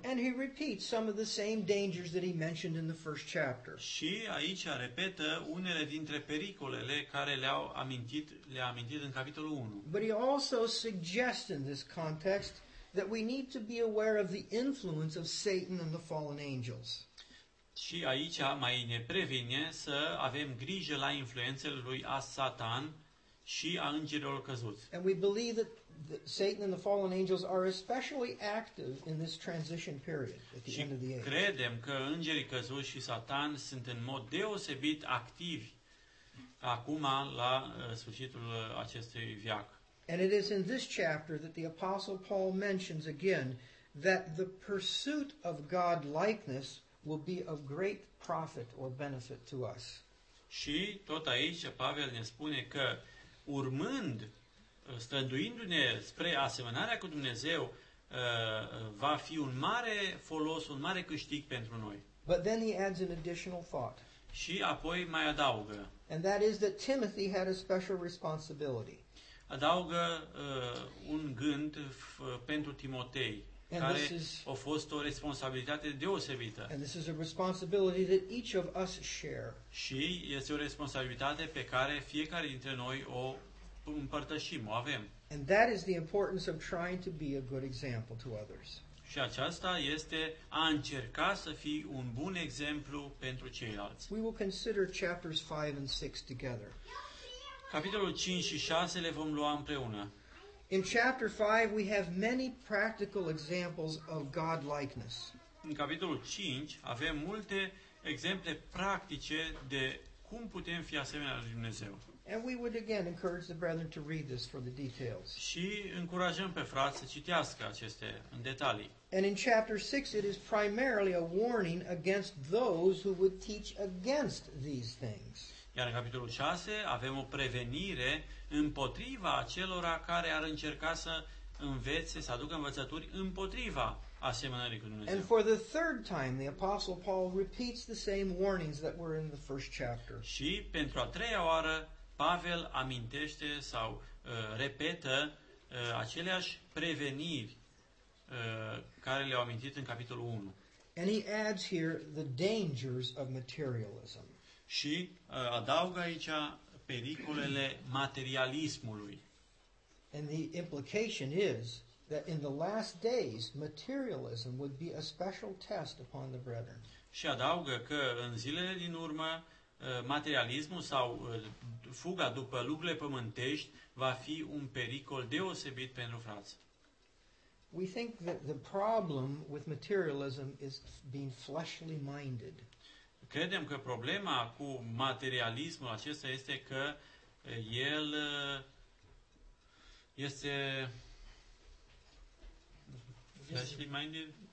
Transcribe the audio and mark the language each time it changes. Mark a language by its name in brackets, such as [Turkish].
[English] And he repeats some of the same dangers that he mentioned in the first chapter. [Romanian] Și aici repetă unele dintre pericolele care le-a amintit în capitolul 1. [English] But he also suggests in this context that we need to be aware of the influence of Satan and the fallen angels. [Romanian] Și aici mai ne previne să avem grijă la influențele lui Satan și a îngerilor căzuți. [English] And we believe that Satan and the fallen angels are especially active in this transition period at the end of the age. [Romanian] Și credem că îngerii căzuți și Satan sunt în mod deosebit activi acum la sfârșitul acestei viac. [English] And it is in this chapter that the apostle Paul mentions again that the pursuit of God likeness will be of great profit or benefit to us. [Romanian] Și tot aici Pavel ne spune că urmând, străduindu-ne spre asemănarea cu Dumnezeu, va fi un mare folos, un mare câștig pentru noi. [English] But then he adds an additional thought. [Romanian] Și apoi mai adaugă. [English] And that is that Timothy had a special responsibility. [Romanian] Adaugă un gând pentru Timotei. Care a fost o responsabilitate deosebită. [English] And this is a responsibility that each of us share. [Romanian] Și este o responsabilitate pe care fiecare dintre noi o împărtășim, o avem. [English] And that is the importance of trying to be a good example to others. [Romanian] Și aceasta este a încerca să fii un bun exemplu pentru ceilalți. [English] We will consider chapters 5 and 6 together. [Romanian] Capitolul 5 și 6 le vom lua împreună. [English] In chapter 5 we have many practical examples of God likeness. [Romanian] În capitolul 5 avem multe exemple practice de cum putem fi asemenea lui Dumnezeu. [English] And we would again encourage the brethren to read this for the details. [Romanian] Și încurajăm pe frați să citească aceste în detalii. [English] And in chapter 6 it is primarily a warning against those who would teach against these things. [Romanian] Iar în capitolul 6 avem o prevenire împotriva acelora care ar încerca să învețe, să aducă învățături împotriva asemănării cu Dumnezeu. [English] And for the third time, the Apostle Paul repeats the same warnings that were in the first chapter. [Romanian] Și pentru a treia oară, Pavel amintește sau repetă aceleași preveniri care le-au amintit în capitolul 1. [English] And he adds here the dangers of materialism. [Romanian] Și adaugă aici pericolele materialismului. [English] And the implication is that in the last days materialism would be a special test upon the brethren. [Romanian] Și adaugă că în zilele din urmă materialismul sau fuga după lucrurile pământești va fi un pericol deosebit pentru frați. [English] We think that the problem with materialism is being fleshly minded. [Romanian] Credem că problema cu materialismul acesta este că el este [English] fleshly minded,